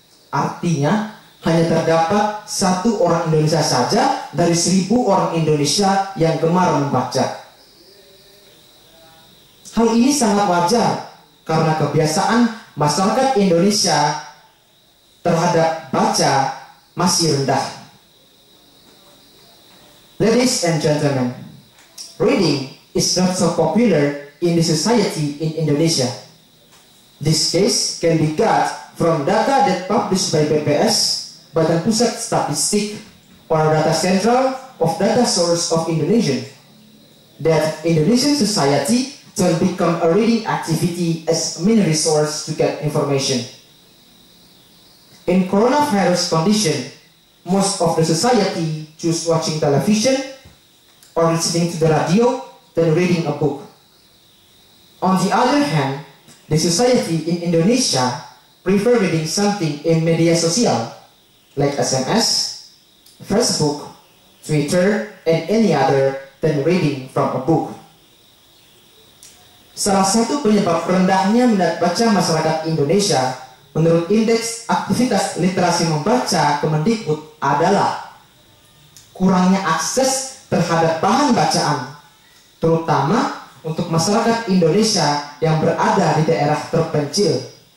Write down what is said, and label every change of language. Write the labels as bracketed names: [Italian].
[Indonesian] Artinya, hanya terdapat 1 orang Indonesia saja dari 1.000 orang Indonesia yang gemar membaca. Hal ini sangat wajar karena kebiasaan masyarakat Indonesia terhadap baca masih rendah. [English] Ladies and gentlemen, reading is not so popular in the society in Indonesia. This case can be got from data that published by BPS, Badan Pusat Statistik, or Data Central of Data Source of Indonesia, that Indonesian society turn become a reading activity as a main resource to get information. In coronavirus condition, most of the society choose watching television or listening to the radio than reading a book. On the other hand, the society in Indonesia prefer reading something in media sosial, like SMS, Facebook, Twitter, and any other than reading from a book. [Indonesian] Salah satu penyebab rendahnya minat baca masyarakat Indonesia menurut Indeks Aktivitas Literasi Membaca Kemendikbud adalah kurangnya akses terhadap bahan bacaan, terutama untuk masyarakat Indonesia yang berada di daerah terpencil.